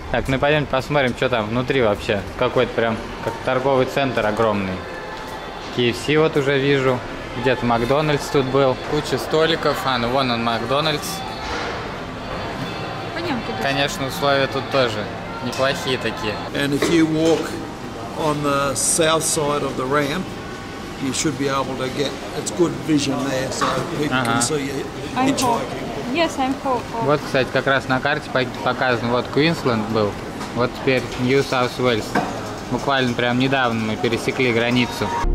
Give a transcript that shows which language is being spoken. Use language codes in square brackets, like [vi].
[ru] Так, ну пойдемте посмотрим, что там внутри вообще. Какой-то прям как торговый центр огромный. KFC вот уже вижу. Где-то Макдональдс тут был. Куча столиков. А, ну вон он, Макдональдс. Пойдем туда. Конечно, условия тут тоже неплохие такие. [en] And if you walk on the south side of the ramp, you should be able to get... It's good vision there, so people can see you hitchhiking. Yes, I'm hopeful. [ru] Вот, кстати, как раз на карте показан. Вот Квинсленд был. Вот теперь New South Wales. Буквально прям недавно мы пересекли границу.